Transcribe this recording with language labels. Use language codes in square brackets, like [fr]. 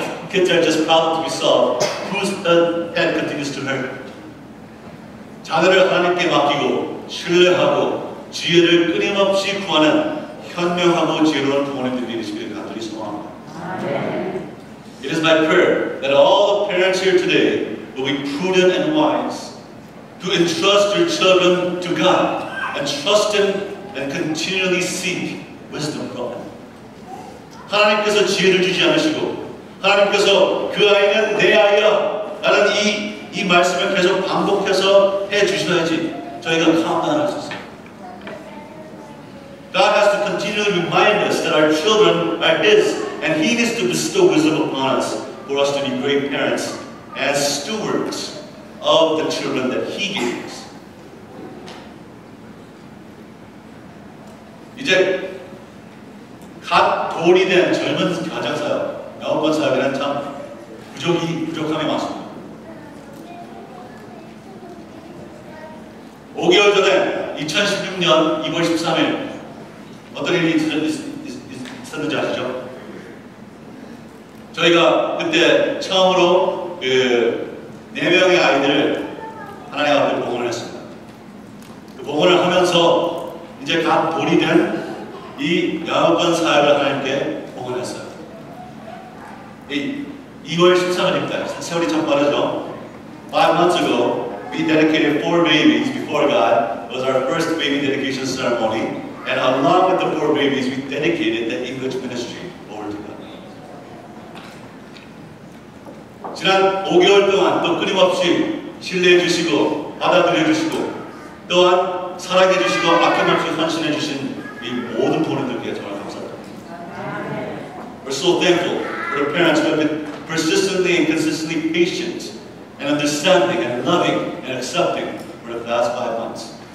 [en] Kids are just problems to be solved. Whose head continues to hurt? [ko] 자녀를 하나님께 맡기고 신뢰하고 지혜를 끊임없이 구하는 현명하고 지혜로운 부모님들이 되시길 간절히 소망합니다. [en] It is my prayer that all the parents here today will be prudent and wise to entrust your children to God and trust Him and continually seek wisdom from God. [ko] 하나님께서 지혜를 주지 않으시고 하나님께서 그 아이는 내 아이야 라는 이 말씀을 계속 반복해서 해주셔야지 저희가 감당할 수 있어요. [en] God has to continually remind us that our children are His and He needs to bestow wisdom upon us for us to be great parents as stewards of the children that He gave us. [ko] 이제 갓 돌이 된 젊은 가정사역, 영어권 사역에는 참 부족함이 많습니다. 5개월 전에 2016년 2월 13일 어떤 일이 있었는지 아시죠? 저희가 그때 처음으로 그 4명의 아이들을 하나님 앞에 봉헌을 했습니다. 그 봉헌을 하면서 이제 갓 돌이 된 이 영어권 사역을 하나님께 봉헌했어요. 2월 13일입니다. 세월이 참 빠르죠? [en] 5 months ago, we dedicated 4 babies before God. It was our first baby dedication ceremony. And along with the 4 babies, we dedicated the English ministry over to God. [ko] 지난 5개월 동안 또 끊임없이 신뢰해주시고 받아들여주시고 또한 사랑해주시고 아낌없이 헌신해주신 이 모든 부모님들께 정말 감사합니다. [en] We're so thankful for the parents who have been persistently and consistently patient and understanding and loving and accepting for the past 5 months.